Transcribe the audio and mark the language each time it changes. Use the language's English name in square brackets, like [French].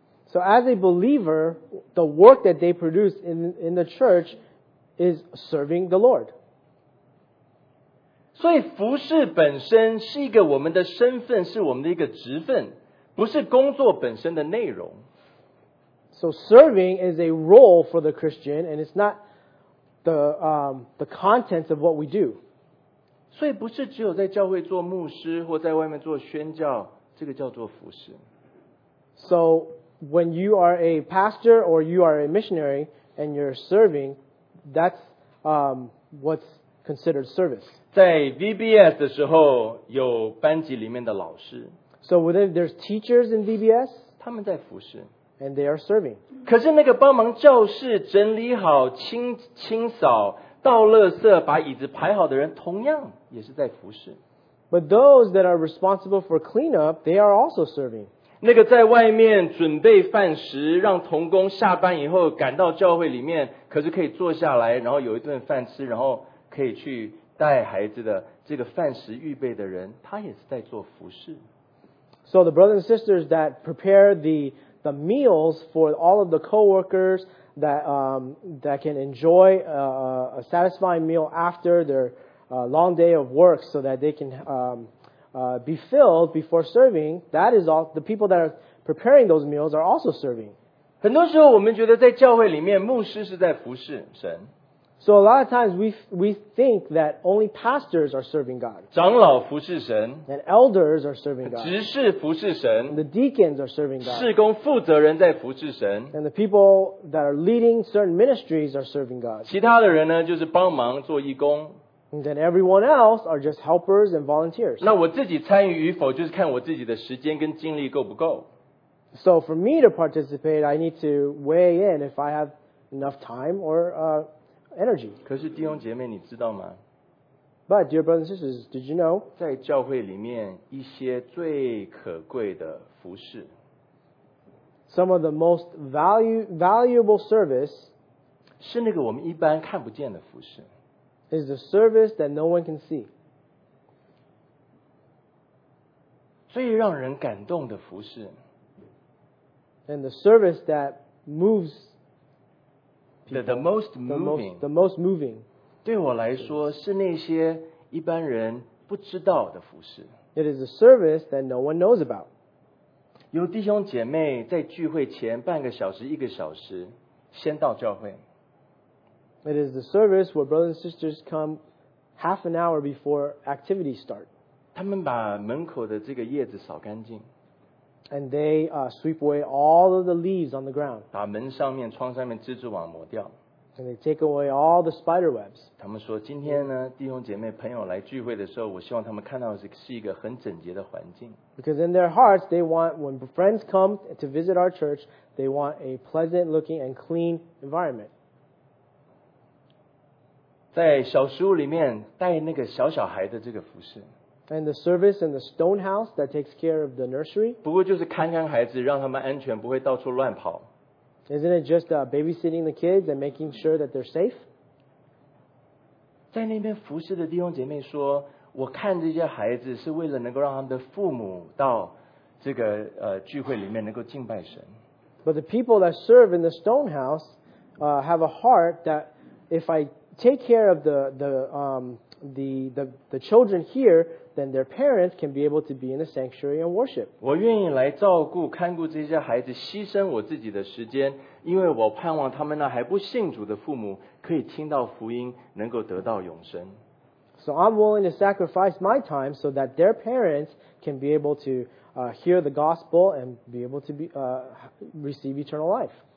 [English] So as a believer, the work that they produce in the church is serving the Lord. [Chinese] 所以服事本身是一个我们的身份，是我们的一个职分，不是工作本身的内容。 [English] So serving is a role for the Christian, and it's not the contents of what we do. [Chinese] 所以不是只有在教会做牧师或在外面做宣教，这个叫做服事。 [English] So when you are a pastor or you are a missionary and you're serving, that's what's considered service. [Chinese] 在 VBS 的时候有班级里面的老师。 [English] So within there's teachers in VBS. [Chinese] 他们在服侍。 [English] And they are serving. [Chinese] 可是那个帮忙教室整理好 清扫倒垃圾把椅子排好的人同样也是在服侍。 [English] But those that are responsible for cleanup, they are also serving. [Chinese] 那个在外面准备饭食让同工下班以后赶到教会里面可是可以坐下来然后有一顿饭吃然后可以去带孩子的这个饭食预备的人，他也是在做服事。 [English] So the brothers and sisters that prepare the meals for all of the coworkers that that can enjoy a satisfying meal after their long day of work, so that they can be filled before serving. That is all. The people that are preparing those meals are also serving. [Chinese] 很多时候，我们觉得在教会里面，牧师是在服事神。 [English] So a lot of times we think that only pastors are serving God. [Chinese] 长老服侍神。 [English] And elders are serving God. [Chinese] 执事服侍神。 [English] And the deacons are serving God. [Chinese] 事工负责人在服侍神。 [English] And the people that are leading certain ministries are serving God. [Chinese] 其他的人呢，就是帮忙做义工。 [English] And then everyone else are just helpers and volunteers. [Chinese] 那我自己参与与否，就是看我自己的时间跟精力够不够。 [English] So for me to participate, I need to weigh in if I have enough time or energy. [Chinese] 可是弟兄姐妹你知道吗? [English] But dear brothers and sisters, did you know? [Chinese] 在教会里面一些最可贵的服事。 [English] Some of the most valuable service [Chinese] 是那个我们一般看不见的服事。 [English] Is the service that no one can see. [Chinese] 最让人感动的服事。 [English] And the service that moves The most moving. [Chinese] 对我来说是那些一般人不知道的服事。 [English] It is a service that no one knows about. [Chinese] 有弟兄姐妹在聚会前半个小时一个小时先到教会。 [English] It is the service where brothers and sisters come half an hour before activities start. [Chinese] 他们把门口的这个叶子扫干净。 [English] And they sweep away all of the leaves on the ground. [Chinese] 把门上面、窗上面蜘蛛网抹掉。 [English] And they take away all the spider webs. [Chinese] 他们说今天呢，弟兄姐妹、朋友来聚会的时候，我希望他们看到的是一个很整洁的环境。 [English] Because in their hearts, they want, when friends come to visit our church, they want a pleasant looking and clean environment. [Chinese] 在小书里面带那个小小孩的这个服事。 [English] And the service in the stone house that takes care of the nursery. [Chinese] 不过就是看看孩子，让他们安全，不会到处乱跑。 [English] Isn't it just babysitting the kids and making sure that they're safe? [Chinese] 在那边服侍的弟兄姐妹说，我看这些孩子是为了能够让他们的父母到这个聚会里面能够敬拜神。 [English] But the people that serve in the stone house have a heart that if I take care of the children here, then their parents can be able to be in the sanctuary and worship. [Chinese] 我愿意来照顾看顾这些孩子，牺牲我自己的时间，因为我盼望他们那还不信主的父母可以听到福音，能够得到永生。 [English] So I'm willing to sacrifice my time so that their parents can be able to hear the gospel and be able to receive eternal life.